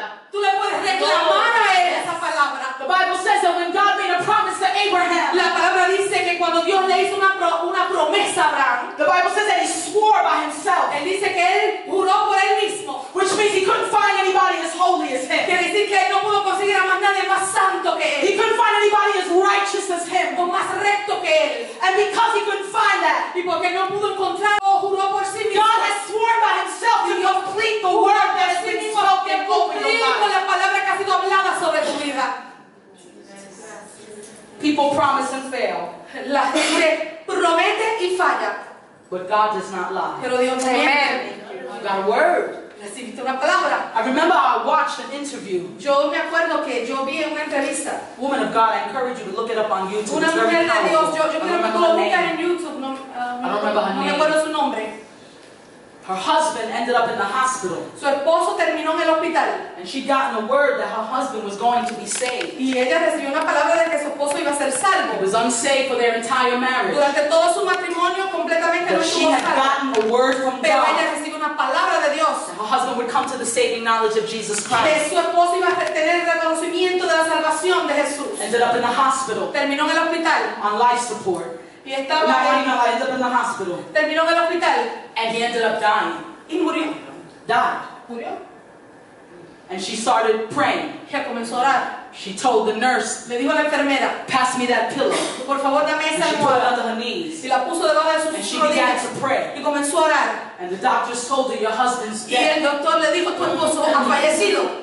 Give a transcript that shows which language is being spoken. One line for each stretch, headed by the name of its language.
Spanish: Tú le puedes reclamar a él esa palabra.
English: The Bible says that when God made a promise to Abraham,
Spanish: la palabra dice que cuando Dios le hizo una promesa a Abraham,
English: the Bible says that he swore by himself.
Spanish: Él dice que él juró por él mismo. Quiere decir que él no pudo conseguir a más nadie más santo que él.
English: He couldn't find anybody as righteous as him.
Spanish: O más recto que él.
English: And because he couldn't find that,
Spanish: y porque no pudo encontrarlo, juró por sí mismo.
English: God has sworn by himself to complete the word that has been spoken over your life.
Spanish: La palabra que ha sido hablada sobre tu vida.
English: People promise and fail.
Spanish: La gente promete y falla.
English: But God does not lie.
Spanish: Pero Dios no miente.
English: You got a word.
Spanish: Recibiste una palabra.
English: I remember I watched an interview.
Spanish: Yo me acuerdo que yo vi en una entrevista.
English: Woman of God, I encourage you to look it up on YouTube.
Spanish: Una mujer de Dios, yo quiero que tú lo busques en YouTube.
English: No, I don't remember her name.
Spanish: No me acuerdo su nombre.
English: Her husband ended up in the hospital.
Spanish: Su esposo terminó en el hospital.
English: And she got the word that her husband was going to be saved.
Spanish: Y ella recibió una palabra de que su esposo iba a ser salvo.
English: He was unsaved for their entire marriage.
Spanish: Durante todo su matrimonio completamente no estuvo salvo.
English: She had gotten a word from God.
Spanish: Pero ella recibió una palabra de Dios.
English: Her husband would come to the saving knowledge of Jesus Christ.
Spanish: Que su esposo iba a tener el reconocimiento de la salvación de Jesús.
English: Ended up in the hospital.
Spanish: Terminó en el hospital.
English: On life support.
Spanish: Y estaba en el hospital. Terminó en el hospital.
English: And he ended up dying.
Spanish: Y murió.
English: Died.
Spanish: Murió.
English: And she started praying.
Spanish: Ella comenzó a orar.
English: She told the nurse,
Spanish: le dijo a la enfermera,
English: pass me that pillow.
Spanish: Por favor, dame esa almohada.
English: And she put it under her knees.
Spanish: Y la puso debajo de sus rodillas.
English: And she began to pray.
Spanish: Y comenzó a orar.
English: And the doctor told her, your husband's dead.
Spanish: Y el doctor le dijo, tu esposo ha fallecido.